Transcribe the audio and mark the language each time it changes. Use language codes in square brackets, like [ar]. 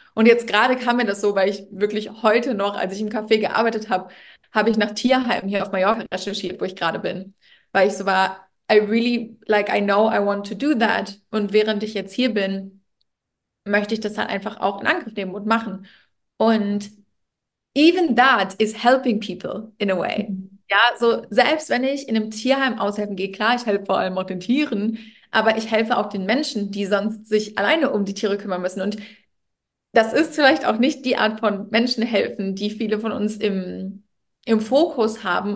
[de] Und jetzt gerade kam mir das so, weil ich wirklich heute noch, als ich im Café gearbeitet habe, habe ich nach Tierheimen hier auf Mallorca recherchiert, wo ich gerade bin, weil ich so war, [en] I really, like, I know I want to do that. [de] Und während ich jetzt hier bin, möchte ich das halt einfach auch in Angriff nehmen und machen. Und [en] even that is helping people in a way. [de] Ja, so selbst wenn ich in einem Tierheim aushelfen gehe, klar, ich helfe vor allem auch den Tieren, aber ich helfe auch den Menschen, die sonst sich alleine um die Tiere kümmern müssen. Und das ist vielleicht auch nicht die Art von Menschen helfen, die viele von uns im Fokus haben.